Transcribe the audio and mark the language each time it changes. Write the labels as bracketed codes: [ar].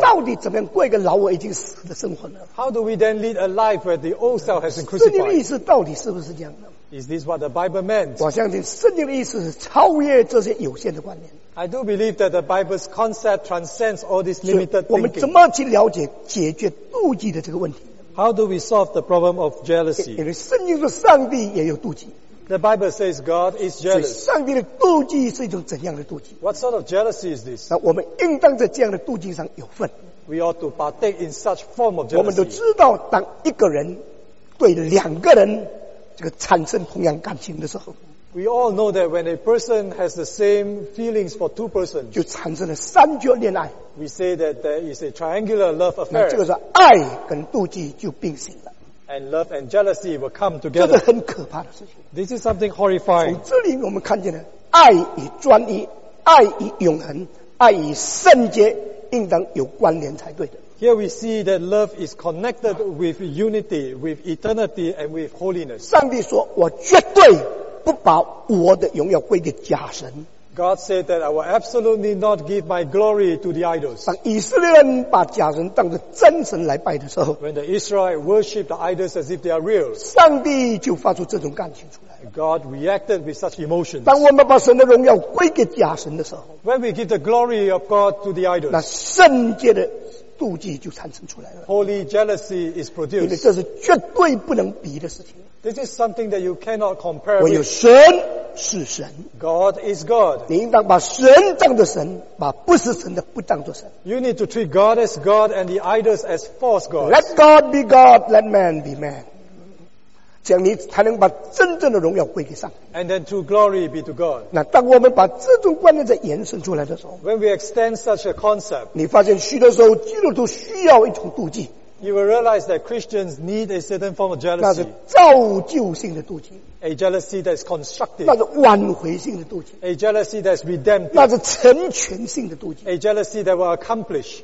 [zh] 到底怎么样过一个老我已经死的生活呢 [en] ？How do we then lead a life where the old self has been crucified? [zh] 圣经的意思到底是不是这样的 [en] ？Is this what the Bible meant? [zh] 我相信圣经的意思是超越这些有限的观念。 [en] I do believe that the Bible's concept transcends all this limited thinking. [zh] 我们怎么去了解解决妒忌的这个问题 [en] ？How do we solve the problem of jealousy? [zh] 因为圣经说上帝也有妒忌。 [en] The Bible says God is jealous. [zh] 所以上帝的妒忌是一种怎样的妒忌 [en] ？What sort of jealousy is this? [zh] 那我们应当在这样的妒忌上有份。 [en] We ought to partake in such form of jealousy. [zh] 我们都知道，当一个人对两个人这个产生同样感情的时候。 [en] We all know that when a person has the same feelings for two persons, [zh] 就产生了三角恋爱。 [en] We say that there is a triangular love affair. [zh] 这个时候，爱跟妒忌就并行了。 [en] and love and jealousy will come together. [zh] 这个很可怕的事情。 [en] This is something horrifying. [zh] 从这里我们看见了，爱与专一，爱与永恒，爱与圣洁，应当有关联才对的。 [en] Here we see that love is connected with unity, with eternity, and with holiness. [zh] 上帝说，我绝对不把我的荣耀归给假神。 [en] God said that I will absolutely not give my glory to the idols. [zh] 当以色列人把假神当作真神来拜的时候 [en] ，When the Israelites worship the idols as if they are real, [zh] 上帝就发出这种感情出来。 [en] God reacted with such emotions. [zh] 当我们把神的荣耀归给假神的时候 [en] ，When we give the glory of God to the idols, [zh] 那圣洁的妒忌就产生出来了。 [en] Holy jealousy is produced. [zh] 因为这是绝对不能比的事情。 [en] This is something that you cannot compare. [zh] 唯有神是神。 [en] God is God. [zh] 你应当把神当作神，把不是神的不当作神。 [en] You need to treat God as God and the idols as false gods. Let God be God, let man be man. [zh] 这样你才能把真正的荣耀归给上帝。 [en] And then true glory be to God. [zh] 那当我们把这种观念再延伸出来的时候 [en] ，When we extend such a concept, [zh] 你发现许多时候基督徒需要一种妒忌。 [en] You will realize that Christians need a certain form of jealousy. [zh] 那是造就性的妒忌。 [en] A jealousy that is constructive. [zh] 那是挽回性的妒忌。 [en] A jealousy that is redemptive. [zh] 那是成全性的妒忌。 [en] A jealousy that will accomplish.